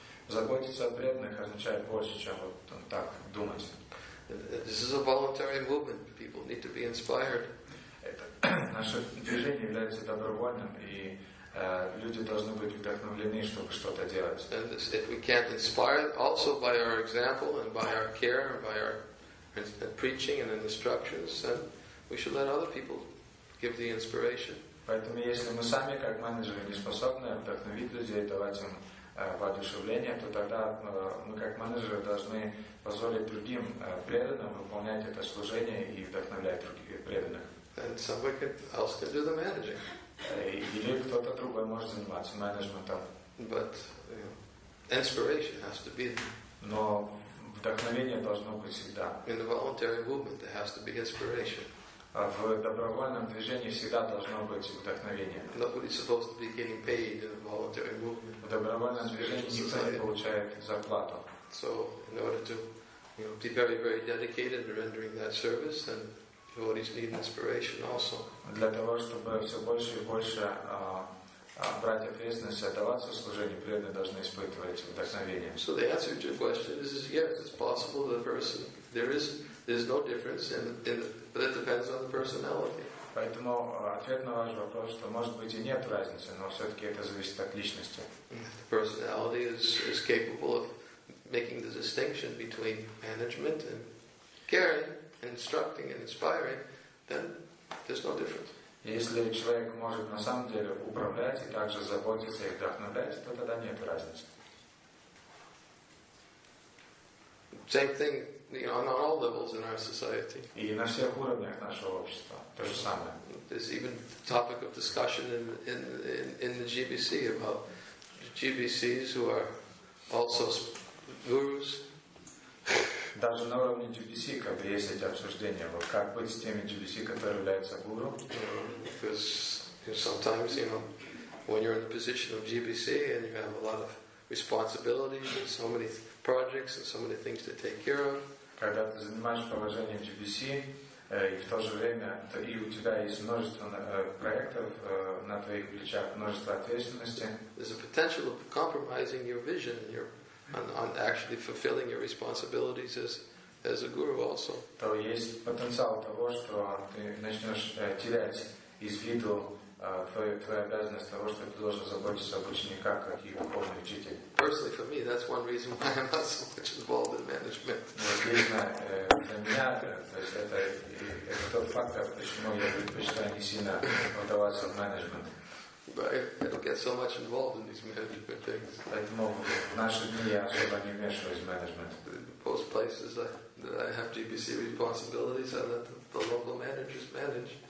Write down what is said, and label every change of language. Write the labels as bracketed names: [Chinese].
[Russian] Заботиться о преданных означает больше, чем вот так думать. [English] This is a voluntary movement. People need to be inspired. [Russian] Наше движение является добровольным, и люди должны быть вдохновлены, чтобы что-то делать. [English] And if we can't inspire also by our example and by our care and by our preaching and instructions, then we should let other people give the inspiration. [Russian] Поэтому если мы сами как менеджеры не способны вдохновить людей, давать им воодушевление, то тогда мы как менеджеры должны позволить другим преданным выполнять это служение и вдохновлять других преданных. [English] And somebody else can do the managing. [Russian] Или кто-то другой может заниматься менеджментом. [English] But inspiration has to be. [Russian] Но вдохновение должно быть всегда. [English] In the voluntary movement, there has to be inspiration. [Russian] В добровольном движении всегда должно быть вдохновение. [English] Nobody's supposed to be getting paid in a voluntary movement. [Russian] В добровольном движении никто не получает зарплату. [English] So in order to you know, be very, very dedicated in rendering that service, and devotees need inspiration also. [Russian] Для того, чтобы все больше и больше брать ответственность, отдаваться служению, преданные должны испытывать вдохновение. [English] So the answer to your question is yes, it's possible that a person, there's no difference, but it depends on the personality. [Russian] Поэтому ответ на ваш вопрос, что может быть и нет разницы, но все-таки это зависит от личности. [English] The personality is capable of making the distinction between management and caring, instructing and inspiring, then there's no difference. [Russian] Если человек может на самом деле управлять и также заботиться и вдохновлять, то тогда нет разницы. [English] Same thing, you know, on all levels in our society. [Russian] И на всех уровнях нашего общества то же самое. [English] There's even the topic of discussion in the GBC about GBCs who are also gurus. [Russian] Даже на уровне GBC, когда есть эти обсуждения, вот как быть с теми GBC, которые являются гуру? [English] Because sometimes, you know, when you're in the position of GBC and you have a lot of responsibilities and so many projects and so many things to take care of. [Russian] Когда ты занимаешь положение GBC, и в то же время и у тебя есть множество проектов на твоих плечах, множество ответственности. [English] There's a potential of compromising your vision and on actually fulfilling your responsibilities as a guru also. [Russian] То есть потенциал того, что ты начнешь терять из виду твою обязанность того, что ты должен заботиться об учениках, как и духовный учитель. [English] Personally, for me, that's one reason why I'm not so much involved in management. [Russian] Лично для меня, то есть это тот фактор, почему я предпочитаю не сильно вдаваться в менеджмент. [English] But I don't get so much involved in these management things. [Russian] Поэтому в наши дни я особо не вмешиваюсь в менеджмент. [English] Most places that I have GBC responsibilities, I let the local managers manage.